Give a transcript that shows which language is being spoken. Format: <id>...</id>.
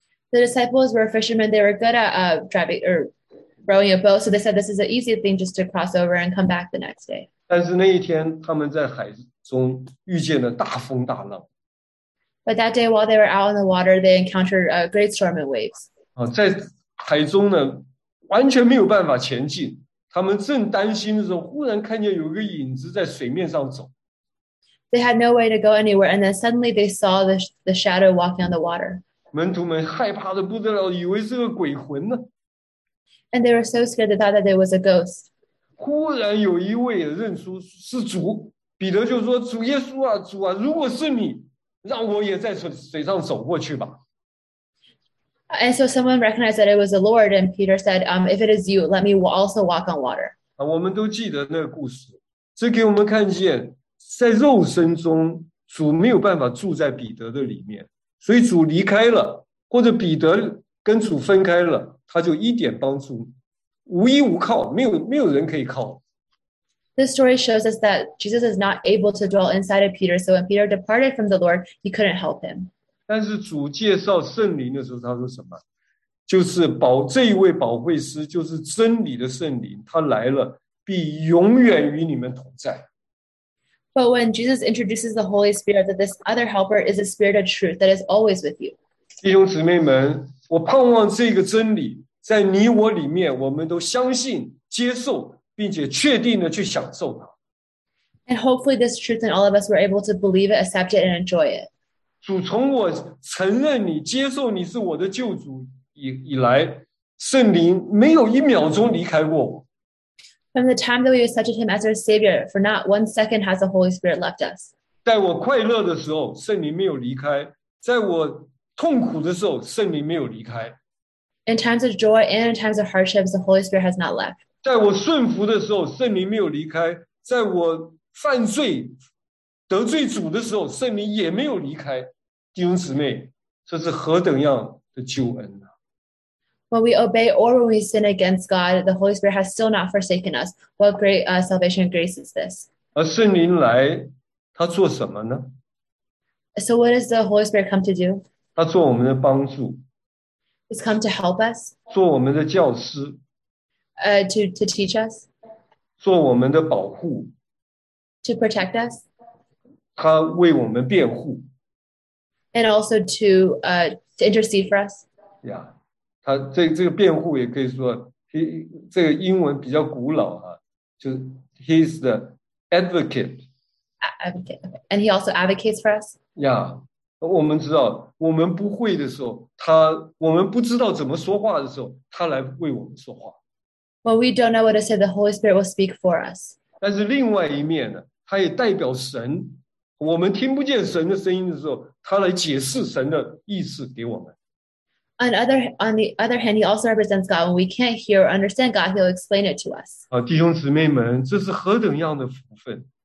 <en>The disciples were fishermen. They were good at rowing a boat, so they said this is an easy thing just to cross over and come back the next day.</en> <zh>但是那一天他们在海中遇见了大风大浪。</zh> <en>But that day while they were out on the water, they encountered a great storm and waves.</en> <zh>在海中呢，完全没有办法前进，他们正担心的时候，忽然看见有个影子在水面上走。</zh> <en>They had no way to go anywhere, and then suddenly they saw the shadow walking on the water.</en> <zh>门徒们害怕的不得了，以为是个鬼魂呢。</zh> <en>And they were so scared they thought that there was a ghost.</en> <zh>忽然有一位认出是主，彼得就说：“主耶稣啊，主啊，如果是你，让我也在水上走过去吧。”</zh> <en>And so someone recognized that it was the Lord, and Peter said, "If it is you, let me also walk on water."</en> <zh>我们都记得那个故事，这给我们看见，在肉身中，主没有办法住在彼得的里面，所以主离开了，或者彼得跟主分开了。他就一点帮助，无依无靠，没有人可以靠。</zh> <en>This story shows us that Jesus is not able to dwell inside of Peter, so when Peter departed from the Lord, he couldn't help him.</en> <zh>但是主介绍圣灵的时候，他说什么？就是这一位保惠师，就是真理的圣灵，他来了，必永远与你们同在。</zh> <en>But when Jesus introduces the Holy Spirit, that this other helper is a spirit of truth that is always with you.</en> <zh>弟兄姊妹们。我盼望这个真理在你我里面，我们都相信、接受，并且确定的去享受它。</zh> <en>And hopefully, this truth in all of us were able to believe it, accept it, and enjoy it.</en> <zh>主从我承认你、接受你是我的救主以来，圣灵没有一秒钟离开过我。</zh> <en>From the time that we accepted Him as our Savior, for not one second has the Holy Spirit left us.</en> <zh>在我快乐的时候，圣灵没有离开；在我痛苦的时候，圣灵没有离开。</zh> <en>In times of joy and in times of hardships, the Holy Spirit has not left.</en> <zh>在我顺服的时候，圣灵没有离开；在我犯罪、得罪主的时候，圣灵也没有离开。弟兄姊妹，这是何等样的救恩啊！</zh> <en>When we obey or when we sin against God, the Holy Spirit has still not forsaken us. What great salvation and grace is this?</en> <zh>而圣灵来，他做什么呢？</zh> <en>So what does the Holy Spirit come to do?</en> <zh>他做我们的帮助，</zh> <en>He's come to help us，</en> <zh>做我们的教师，</zh> <en>to teach us，</en> <zh>做我们的保护，</zh> <en>to protect us.</en> <zh>他为我们辩护。</zh> <en>And also to intercede for us. Yeah.</en> <zh>他这个辩护也可以说 这个英文比较古老啊，就是</zh> <en>he's the advocate. Advocate. And he also advocates for us. Yeah.</en> <zh>我们知道我们不会的时候他我们不知道怎么说话的时候他来为我们说话。</zh> <en>Well, we don't know what to say, the Holy Spirit will speak for us.</en> <zh>但是另外一面呢他也代表神我们听不见神的声音的时候他来解释神的意思给我们。</zh> <en>On the other hand, he also represents God. When we can't hear or understand God, he'll explain it to us.</en> <zh>弟兄姊妹们这是何等样的福分。</zh>